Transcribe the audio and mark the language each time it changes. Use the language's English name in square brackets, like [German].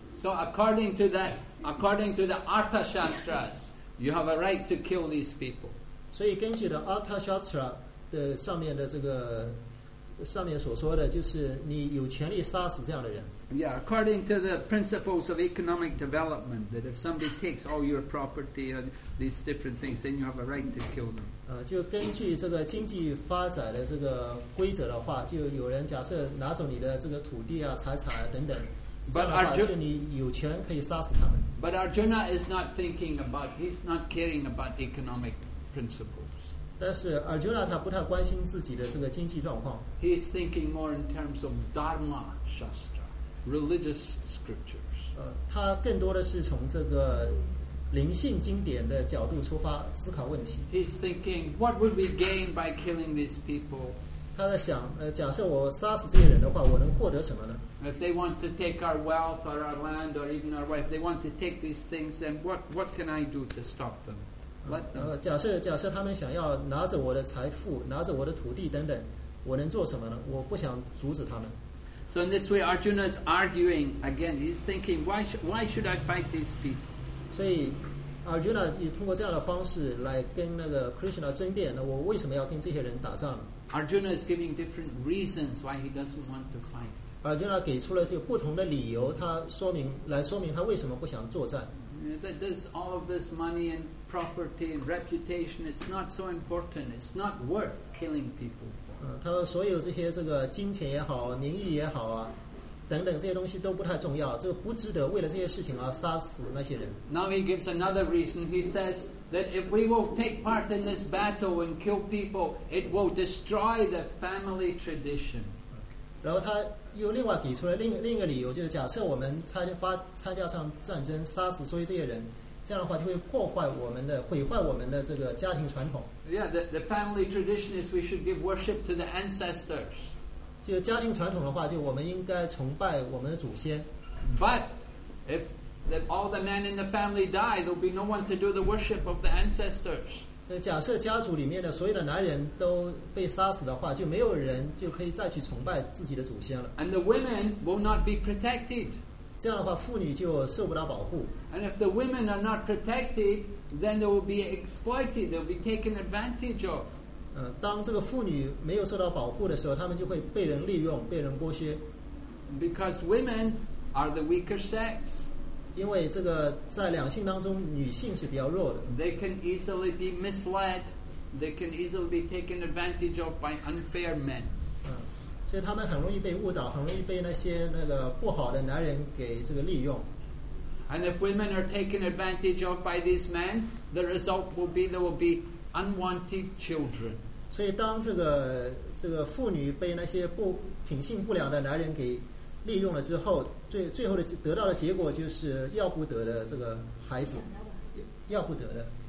[English] So according to the Arthashastras, you have a right to kill these people. [Chinese] 所以根据的 Arthashastra 的上面的这个上面所说的就是你有权利杀死这样的人。 [English] Yeah, according to the principles of economic development, that if somebody takes all your property and these different things, then you have a right to kill them. [Chinese] 就根据这个经济发展的这个规则的话，就有人假设拿走你的这个土地啊、财产啊等等。 [English] But Arjuna is not thinking about, he's not caring about economic principles. [Chinese] 但是 Arjuna 他不太关心自己的这个经济状况。 [English] He's thinking more in terms of Dharma Shastra, religious scriptures. [Chinese] 他更多的是从这个灵性经典的角度出发思考问题。 [English] He's thinking, what would we gain by killing these people? [Chinese] 他在想，假设我杀死这些人的话，我能获得什么呢？ [English] If they want to take our wealth or our land or even our wife, they want to take these things, then what can I do to stop them? Let them. [Chinese] 假设他们想要拿着我的财富，拿着我的土地等等，我能做什么呢？我不想阻止他们。 [English] So in this way, Arjuna is arguing again. He's thinking, why should I fight these people? [Chinese] 所以 Arjuna 也通过这样的方式来跟那个 Krishna 争辩，那我为什么要跟这些人打仗呢？ [English] Arjuna is giving different reasons why he doesn't want to fight. [Chinese] Arjuna 给出了这个不同的理由，他说明来说明他为什么不想作战。 [English] There's all of this money and property and reputation. It's not so important. It's not worth killing people for. [Chinese] 他说所有这些这个金钱也好，名誉也好啊，等等这些东西都不太重要，就不值得为了这些事情而杀死那些人。 [English] Now he gives another reason. He says that if we will take part in this battle and kill people, it will destroy the family tradition. [Chinese] 然后他。又另外给出了另一个理由，就是假设我们参加上战争，杀死所有这些人，这样的话就会毁坏我们的这个家庭传统。 [English] Yeah, the family tradition is we should give worship to the ancestors. [Chinese] 就家庭传统的话，就我们应该崇拜我们的祖先。 [English] But if all the men in the family die, there'll be no one to do the worship of the ancestors. [Chinese] 假设家族里面的所有的男人都被杀死的话，就没有人就可以再去崇拜自己的祖先了。 [English] And the women will not be protected. [Chinese] 这样的话，妇女就受不了保护。 [English] And if the women are not protected, then they will be exploited. They will be taken advantage of. [Chinese] 当这个妇女没有受到保护的时候，她们就会被人利用，被人剥削。 [English] Because women are the weaker sex. [Chinese] 因为这个在两性当中，女性是比较弱的。 [English] They can easily be misled. They can easily be taken advantage of by unfair men. [Chinese] 所以他们很容易被误导，很容易被那些那个不好的男人给这个利用。 [English] And if women are taken advantage of by these men, the result will be there will be unwanted children. [Chinese] 所以当这个妇女被那些不品性不良的男人给利用了之后，最后的得到的结果就是要不得的这个孩子，要不得的。